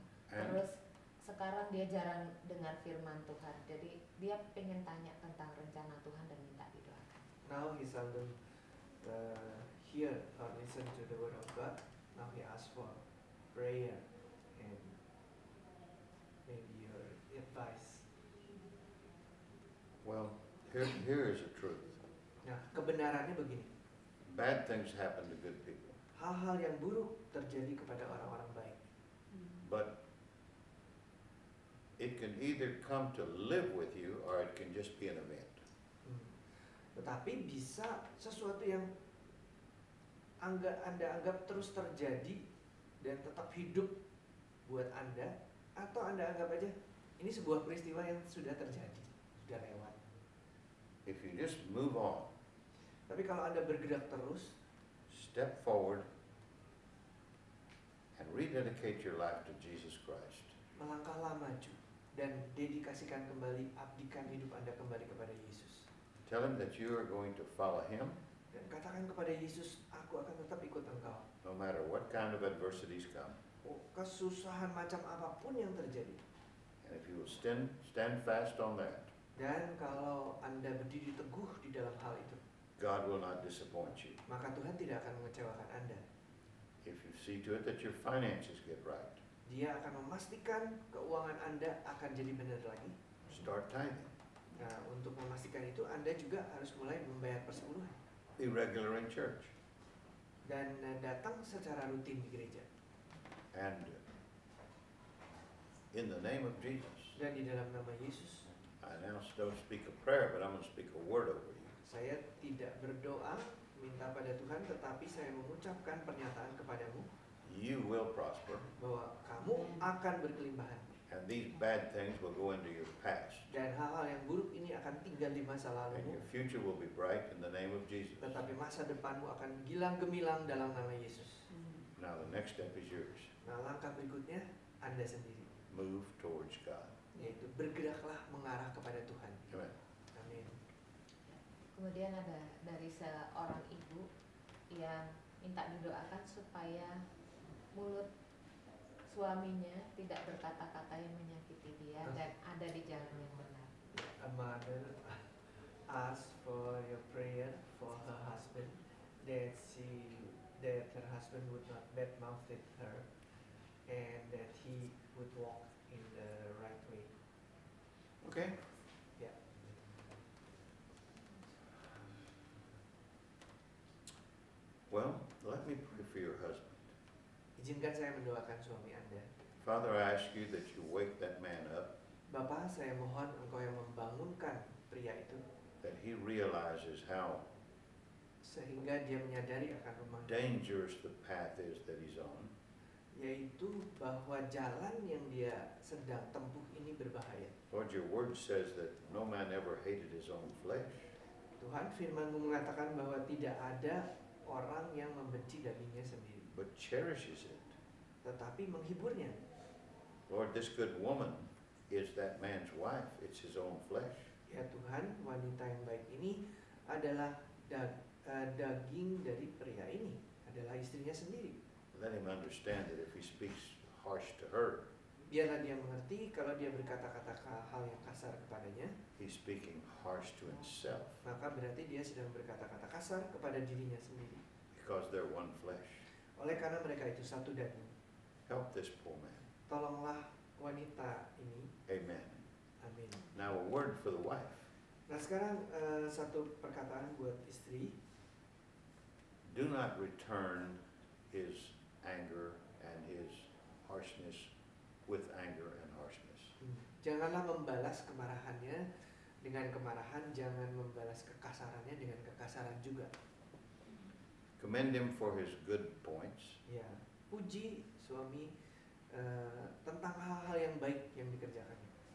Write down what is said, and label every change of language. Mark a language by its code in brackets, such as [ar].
[id] Terus sekarang dia jarang dengar firman Tuhan. Jadi dia pengen tanya tentang rencana Tuhan dan minta didoakan. [en] Now he seldom hear or listen to the word of God. Now we ask for prayer and maybe your advice. Well, here is the truth. [id] Nah, kebenarannya begini. [en] Bad things happen to good people. [id] Hal-hal yang buruk terjadi kepada orang-orang baik. [en] But it can either come to live with you or it can just be an event. [id] Tetapi bisa sesuatu yang Anda anggap terus terjadi dan tetap hidup buat Anda, atau Anda anggap aja ini sebuah peristiwa yang sudah terjadi, sudah lewat. [en] If you just move on. [id] Tapi kalau Anda bergerak terus, [en] step forward and rededicate your life to Jesus Christ. [id] Melangkahlah maju dan dedikasikan kembali, abdikan hidup Anda kembali kepada Yesus. [en] Tell him that you are going to follow him. [id] Dan katakan kepada Yesus, aku akan tetap ikut engkau. [en] No matter what kind of adversities come. [id] Kesusahan macam apapun yang terjadi. [en] And if you will stand fast on that. [id] Dan kalau Anda berdiri teguh di dalam hal itu. [en] God will not disappoint you. [id] Maka Tuhan tidak akan mengecewakan Anda. [en] If you see to it that your finances get right. [id] Dia akan memastikan keuangan Anda akan jadi benar lagi. [en] Start tithing. [id] Nah, untuk memastikan itu Anda juga harus mulai membayar persepuluhan. [en] Be regular in church. [id] Dan datang secara rutin di gereja. [en] And in the name of Jesus. [id] Dan di dalam nama Yesus. [en] I announce, don't speak a prayer, but I'm going to speak a word over you. [id] Saya tidak berdoa minta pada Tuhan, tetapi saya mengucapkan pernyataan kepadamu. [en] You will prosper. [id] Bahwa kamu akan berkelimpahan. [en] And these bad things will go into your past. [id] Dan hal-hal yang buruk ini akan tinggal di masa lalu. [en] And your future will be bright in the name of Jesus. [id] Tetapi masa depanmu akan gilang gemilang dalam nama Yesus. [en] Now the next step is yours. [id] Nah, langkah berikutnya Anda sendiri. [en] Move towards God. [id] Yaitu bergeraklah mengarah kepada Tuhan. [en] Amen. [id] Amin. Kemudian ada dari seorang ibu yang minta didoakan supaya mulut suaminya tidak berkata-kata yang menyakiti dia dan ada di jalan yang benar. [en] A mother asked for your prayer for her husband that her husband would not badmouth her and that he would walk in the right way. Okay. Yeah. Well, let me pray for your husband. [id] Izinkan saya mendoakan suami Anda. [en] Father, I ask you that you wake that man up. [id] Bapa, saya mohon Engkau yang membangunkan pria itu. [en] That he realizes how [id] sehingga dia menyadari akan rumah. [en] Dangerous the path is that he's on. [id] Yaitu bahwa jalan yang dia sedang tempuh ini berbahaya. [en] Lord, your word says that no man ever hated his own flesh. [id] Tuhan, firman-Mu mengatakan bahwa tidak ada orang yang membenci dagingnya sendiri. [en] But cherishes it. [id] Tetapi menghiburnya. [en] Lord, this good woman is that man's wife. It's his own flesh. [id] Ya Tuhan, wanita yang baik ini adalah daging dari pria ini, adalah istrinya sendiri. [en] Let him understand that if he speaks harsh to her. [id] Biarlah dia mengerti kalau dia berkata-kata hal yang kasar kepadanya. [en] He's speaking harsh to himself. [id] Maka berarti dia sedang berkata-kata kasar kepada dirinya sendiri. [en] Because they're one flesh. [id] Oleh karena mereka itu satu daging. [en] Help this poor man. [id] Tolonglah wanita ini. [en] Amen. [id] Amin. [en] Now a word for the wife. [id] Nah sekarang satu perkataan buat istri. [en] Do not return his anger and his harshness with anger and harshness. [id] Janganlah membalas kemarahannya dengan kemarahan, jangan membalas kekasarannya dengan kekasaran juga. [en] Commend him for his good points. [id] Ya, puji suami tentang hal-hal yang baik yang dikerjakannya.